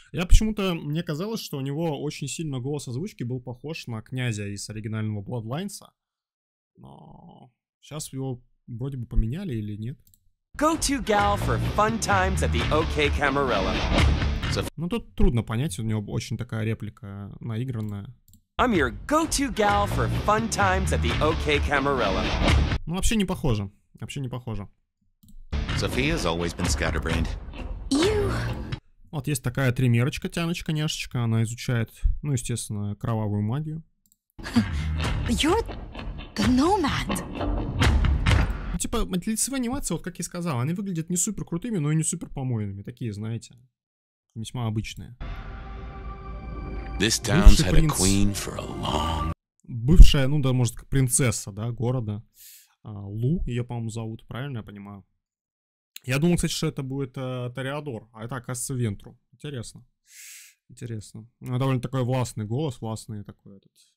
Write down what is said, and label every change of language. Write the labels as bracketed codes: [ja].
[ru] Я почему-то, мне казалось, что у него очень сильно голос озвучки был похож на князя из оригинального Bloodlines. Но сейчас его вроде бы поменяли или нет. [en] Go to gal for fun times at the OK Camarilla. [ru] Ну тут трудно понять, у него очень такая реплика наигранная. [en] I'm your go-to gal for fun times at the OK Camarilla. [ru] Ну вообще не похоже, вообще не похоже. [en] Sophia's always been scatterbrained. [ru] Вот есть такая тримерочка, тяночка, няшечка, она изучает, ну естественно, кровавую магию. [en] You're the nomad. [ru] Ну, типа, лицевые анимации, вот как я сказал, они выглядят не супер крутыми, но и не супер помойными. Такие, знаете, весьма обычные. [en] This town's had a queen for a long... [ru] Бывшая, ну да, может, принцесса, да, города. Лу, ее, по-моему, зовут, правильно я понимаю? Я думал, кстати, что это будет Тореадор, а это, оказывается, Вентру. Интересно. Интересно. Ну, довольно такой властный голос, властный такой этот...